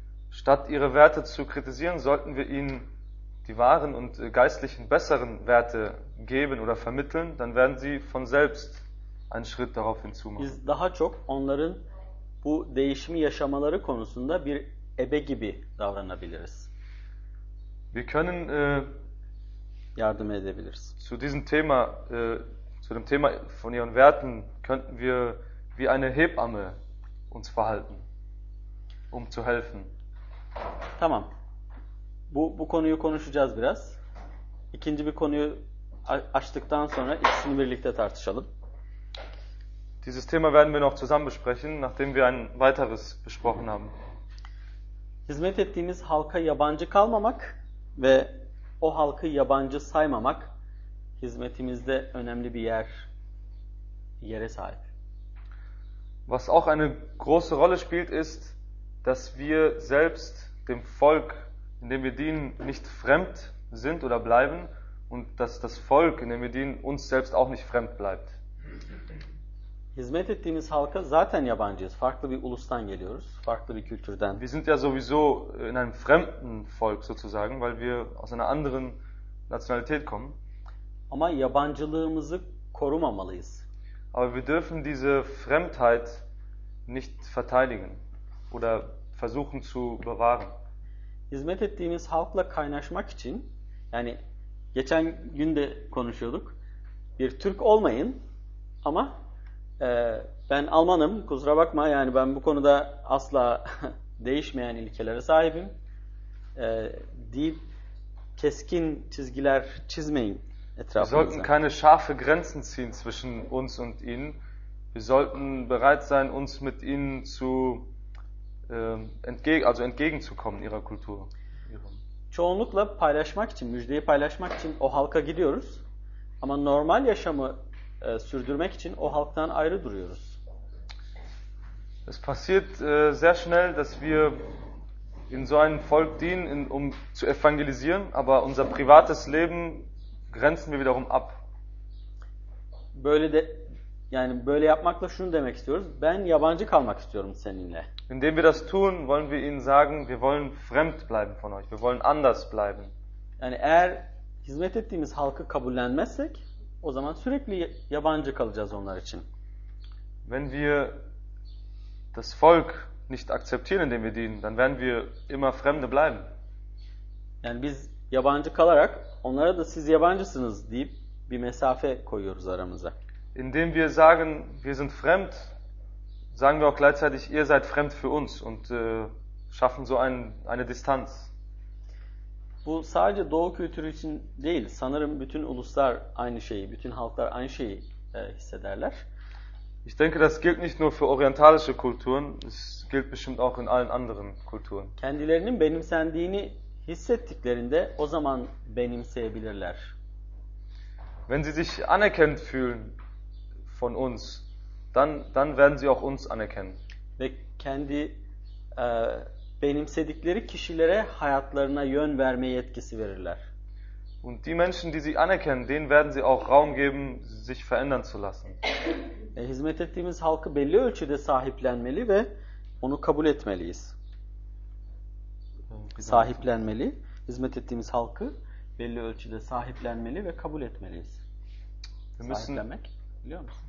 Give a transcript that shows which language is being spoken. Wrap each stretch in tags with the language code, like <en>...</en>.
<de>Statt ihre Werte zu kritisieren, sollten wir ihnen die wahren und geistlichen besseren Werte geben oder vermitteln, dann werden sie von selbst einen Schritt darauf hinzumachen.</de> <tr>Biz daha çok onların bu değişimi yaşamaları konusunda bir ebe gibi davranabiliriz.</tr> <de>Wir können</de> <tr>yardım edebiliriz.</tr> <de>Zu diesem Thema zu dem Thema von ihren Werten könnten wir wie eine Hebamme uns verhalten, um zu helfen.</de> <tr>Tamam. Bu konuyu konuşacağız biraz. İkinci bir konuyu açtıktan sonra ikisini birlikte tartışalım.</tr> <de>Dieses Thema werden wir noch zusammen besprechen, nachdem wir ein weiteres besprochen haben.</de> <tr>Hizmet ettiğimiz halka yabancı kalmamak ve o halkı yabancı saymamak hizmetimizde önemli bir yere sahip.</tr> <de>Was auch eine große Rolle spielt, ist, dass wir selbst dem Volk, in dem wir dienen, nicht fremd sind oder bleiben und dass das Volk, in dem wir dienen, uns selbst auch nicht fremd bleibt.</de> <tr>Hizmet ettiğimiz halka zaten yabancıyız. Farklı bir ulustan geliyoruz, farklı bir kültürden.</tr> <de>Wir sind ja sowieso in einem fremden Volk sozusagen, weil wir aus einer anderen Nationalität kommen.</de> <tr>Ama yabancılığımızı korumamalıyız.</tr> <de>Aber wir dürfen diese Fremdheit nicht verteidigen oder versuchen zu bewahren.</de> <tr>Hizmet ettiğimiz halkla kaynaşmak için, yani geçen gün de konuşuyorduk, bir Türk olmayın ama ben Almanım, kusura bakma, yani ben bu konuda asla değişmeyen ilkelere sahibim deyip keskin çizgiler çizmeyin.</tr> <de>Wir sollten keine scharfe Grenzen ziehen zwischen uns und ihnen. Wir sollten bereit sein, uns mit ihnen zu entgegenzukommen ihrer Kultur.</de> <tr>Çoğunlukla paylaşmak için, müjdeyi paylaşmak için o halka gidiyoruz. Ama normal yaşamı sürdürmek için o halktan ayrı duruyoruz.</tr> <de>Es passiert sehr schnell, dass wir in so einem Volk dienen, um zu evangelisieren, aber unser privates Leben grenzen wir wiederum ab.</de> <tr>Böyle de, yani böyle yapmakla şunu demek istiyoruz. Ben yabancı kalmak istiyorum seninle.</tr> <de>Indem wir das tun, wollen wir ihnen sagen, wir wollen fremd bleiben von euch. Wir wollen anders bleiben.</de> <tr>Yani eğer hizmet ettiğimiz halkı kabullenmezsek, o zaman sürekli yabancı kalacağız onlar için.</tr> <de>Wenn wir das Volk nicht akzeptieren, indem wir dienen, dann werden wir immer Fremde bleiben.</de> <tr>Yani biz yabancı kalarak onlara da siz yabancısınız deyip bir mesafe koyuyoruz aramıza.</tr> <de>Indem wir sagen, wir sind fremd, sagen wir auch gleichzeitig, ihr seid fremd für uns und schaffen so eine Distanz.</de> <tr>Bu sadece Doğu kültürü için değil, sanırım bütün uluslar aynı şeyi, bütün halklar aynı şeyi hissederler.</tr> <de>Ich denke, das gilt nicht nur für orientalische Kulturen, es gilt bestimmt auch in allen anderen Kulturen.</de> <tr>Kendilerinin benimsendiğini hissettiklerinde o zaman benimseyebilirler.</tr> <de>Wenn sie sich anerkannt fühlen von uns, dann werden sie auch uns anerkennen.</de> <tr>Ve kendi benimsedikleri kişilere hayatlarına yön verme yetkisi verirler.</tr> <de>Und die Menschen, die sie anerkennen, denen werden sie auch Raum geben, sich verändern zu lassen.</de> <tr>Hizmet ettiğimiz halkı belli ölçüde sahiplenmeli ve onu kabul etmeliyiz. Sahiplenmeli, hizmet ettiğimiz halkı belli ölçüde sahiplenmeli ve kabul etmeliyiz. Sahiplenmek, biliyor musun?</tr>